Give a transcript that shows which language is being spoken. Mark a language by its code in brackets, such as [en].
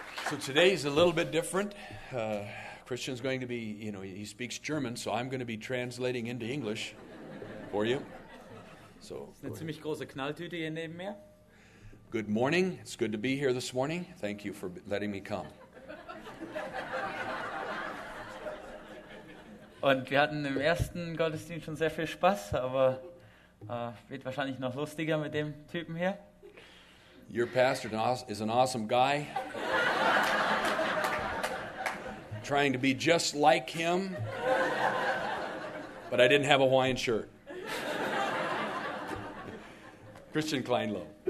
[en] So today's a little bit different. Christian's going to be, you know, he speaks German, so I'm going to be translating into English for you. So, [de] eine ziemlich große Knalltüte hier neben mir. [en] Good morning. It's good to be here this morning. Thank you for letting me come. [de] Und wir hatten im ersten Gottesdienst schon sehr viel Spaß, aber wird wahrscheinlich noch lustiger mit dem Typen hier. [en] Your pastor is an awesome guy. Trying to be just like him, but I didn't have a Hawaiian shirt. Christian Kleinlo.